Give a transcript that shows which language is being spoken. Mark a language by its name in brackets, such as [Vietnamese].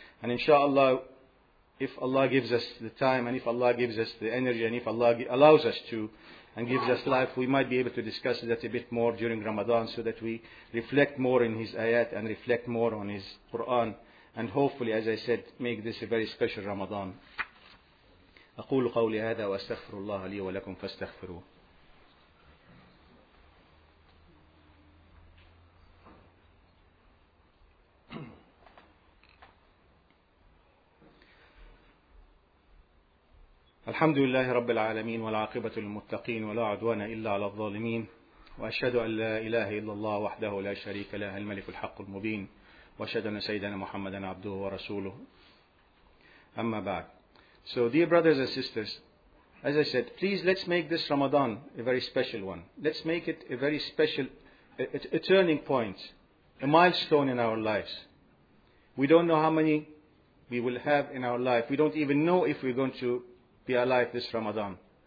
[English] And inshallah, if Allah gives us the time, and if Allah gives us the energy, and if Allah allows us to, and gives us life, we might be able to discuss that a bit more during Ramadan, so that we reflect more in His ayat, and reflect more on His Quran. And hopefully, as I said, make this a very special Ramadan. [Arabic] أقول قولي هذا وأستغفر الله لي ولكم فاستغفروه. الحمد لله رب العالمين والعاقبة للمتقين ولا عدوان إلا على الظالمين وأشهد أن لا إله إلا الله وحده لا شريك له الملك الحق المبين وأشهد أن سيدنا محمدا عبده ورسوله أما بعد. [English] So dear brothers and sisters, as I said, please let's make this Ramadan a very special one. Let's make it a very special, a turning point, a milestone in our lives. We don't know how many we will have in our life. We don't even know if we're going to be alive this Ramadan.